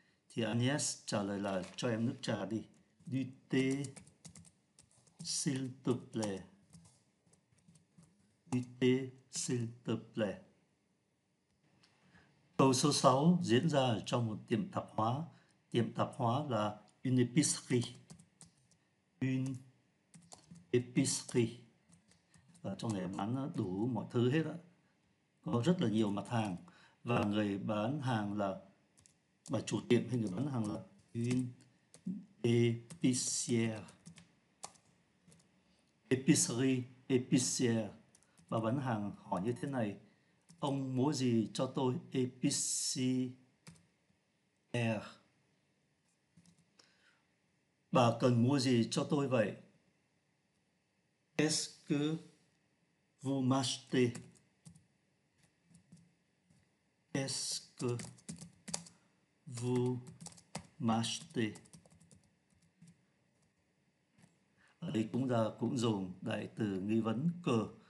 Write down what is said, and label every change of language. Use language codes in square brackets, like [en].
[vi] Thì Agnès trả lời là cho em nước trà đi. [fr] Du thé, s'il te plaît. Du thé, s'il te plaît. [vi] Câu số 6 diễn ra trong một tiệm tạp hóa. Tiệm tạp hóa là une épicerie. [fr] Une épicerie. [vi] Trong này bán đủ mọi thứ hết á. Có rất là nhiều mặt hàng. Và người bán hàng là bà chủ tiệm hay người bán hàng là une épicière. Épicerie, épicière. Bà bán hàng hỏi như thế này. Ông mua gì cho tôi? Épicière. Bà cần mua gì cho tôi vậy? [fr] Qu'est-ce que vous m'achetez? Qu'est-ce que vous m'achetez? [vi] Ở đây chúng ta cũng dùng đại từ nghi vấn cơ.